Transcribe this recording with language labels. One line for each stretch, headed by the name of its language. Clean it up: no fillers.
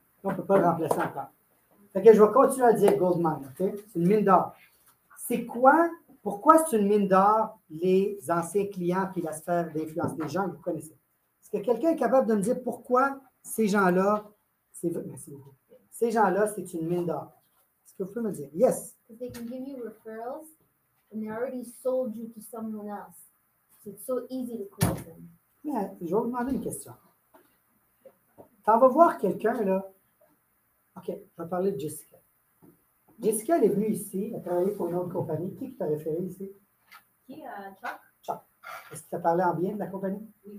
French: On ne peut pas le remplacer encore. Fait que je vais continuer à dire gold mine, OK? C'est une mine d'or. C'est quoi? Pourquoi c'est une mine d'or, les anciens clients puis la sphère d'influence des gens que vous connaissez? Est-ce que quelqu'un est capable de me dire pourquoi ces gens-là, c'est merci beaucoup. Ces gens-là, c'est une mine d'or? Est-ce que vous pouvez me dire?
English: Yes. They can give you referrals and they already sold you to someone else. It's so easy to close them.
French: Mais je vais vous demander une question. T'en vas voir quelqu'un là. OK, je vais parler de Jessica. Jessica, elle est venue ici, elle travaillait pour une autre compagnie. Qui t'a référé ici? Qui? Chuck. Chuck. Est-ce que tu as parlé en bien de la compagnie? Oui,